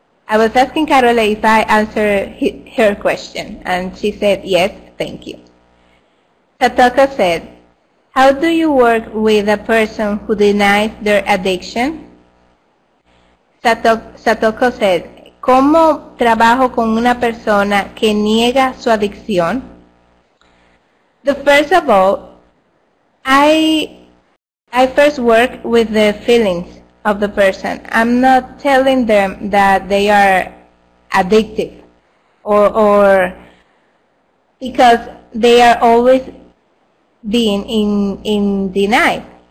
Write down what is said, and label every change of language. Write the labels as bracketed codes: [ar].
[en] I was asking Carola if I answered her question, and she said, yes, thank you. Tataka said, how do you work with a person who denies their addiction? Satoko said, [es] ¿cómo trabajo con una persona que niega su adicción? [en] The first of all, I first work with the feelings of the person. I'm not telling them that they are addictive or because they are always being in denial.